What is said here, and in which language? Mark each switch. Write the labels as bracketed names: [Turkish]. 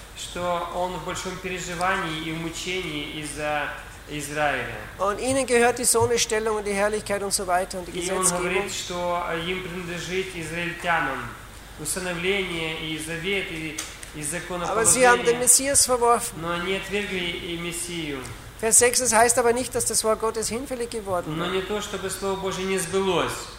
[Russian] Что он в большом переживании и мучении из-за Израиля. [German] Und ihnen gehört die Sonnenstellung und die Herrlichkeit und so weiter und die Gesetzgebung. [Russian] И он говорит, что им принадлежит израильтянам усыновление и завет и законоположение. [German] Aber sie haben den Messias verworfen. [Russian] Но они отвергли и Мессию. [German] Vers 6, es heißt aber nicht, dass das Wort Gottes hinfällig geworden [Russian] war. Но не то, чтобы слово Божие не сбылось.